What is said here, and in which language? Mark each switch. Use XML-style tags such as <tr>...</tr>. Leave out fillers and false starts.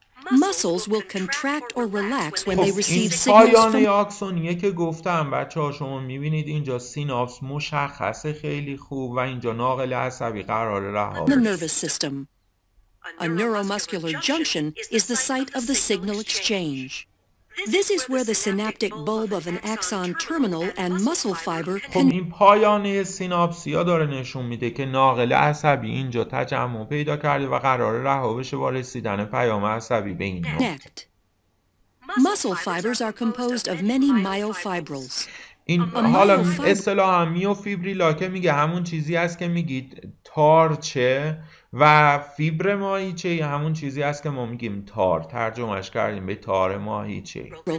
<en>Muscles will contract or relax when they receive signals from.</en> <fa>این پایان آکسونیه که گفتم بچه‌ها، شما می‌بینید اینجا سیناپس مشخصه خیلی خوب و اینجا ناقل عصبی قرار رها بشه.</fa> <en>A neuromuscular junction is the site of the signal exchange. This is where the synaptic bulb of an axon terminal and muscle fiber.</en> <fa>خب این پایان سیناپسیا داره نشون میده که ناقل عصبی اینجا تجمع پیدا کرده و قراره رها بشه با رسیدن پیام عصبی به این نقطه.</fa> <en>Muscle fibers are composed of many myofibrils.</en> <fa>این حالا اصطلاحا میوفیبریلا که میگه همون چیزی است که میگید تارچه، و فیبر ماهیچه همون چیزی است که ما میگیم تار، ترجمهش کردیم به تار ماهیچه.</fa>